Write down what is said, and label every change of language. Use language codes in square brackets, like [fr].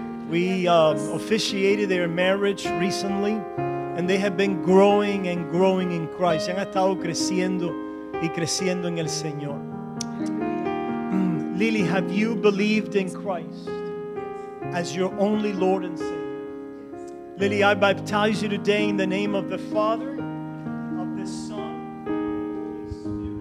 [en] We officiated their marriage recently, and they have been growing and growing in Christ. [es] Han estado creciendo y creciendo en el Señor. [en] Lily, have you believed in Christ as your only Lord and Savior? Lily, I baptize you today in the name of the Father, of the Son, and of the Holy Spirit,